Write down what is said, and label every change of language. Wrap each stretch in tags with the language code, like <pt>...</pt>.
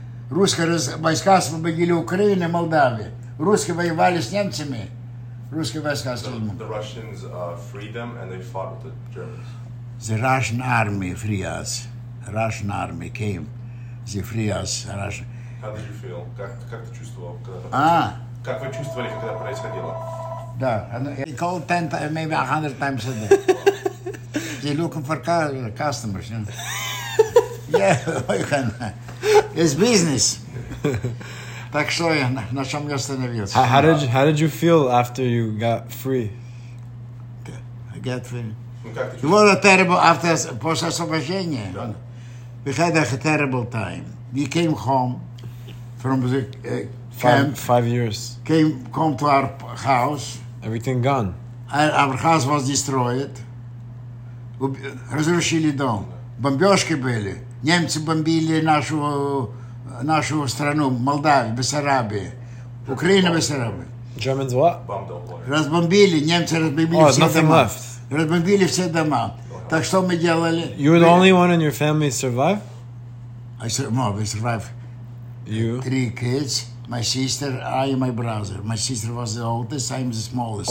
<ru>Русские войска освободили Украину и Молдавию. Русские воевали с немцами. Русские войска освободили.</ru> <en>The Russians freed them and they fought with the Germans. The Russian army free us. Russian army came. They free us. Russian. How did you feel?</en> <ru>Как ты чувствовал? Как вы чувствовали, когда происходило? Да, они</ru> <en>call 10 times, maybe 100 times a day. They're looking for customers, you know. Yeah, you can. It's business.</en> <ru>Так что я на чем я остановился.</ru> <en>How did you feel after you got free? I got free. It was a terrible after</en> <ru>после освобождения.</ru> <en>We had a terrible time. We came home from the camp. Five years. Came to our house. Everything gone. Our house was destroyed.</en> <ru>Разрушили дом. Бомбежки были. Немцы бомбили нашу страну, Молдавию, Бессарабию. Украина, Бессарабия.</ru> <en>Germans what?</en> <ru>Разбомбили, немцы разбомбили все дома.</ru> <en>Oh, nothing left.</en> <ru>Разбомбили все дома. Так что мы делали?</ru> <en>You were the only one in your family to survive? We survived. You? Three kids. My sister, I and my brother. My sister was the oldest, I'm the smallest.</en>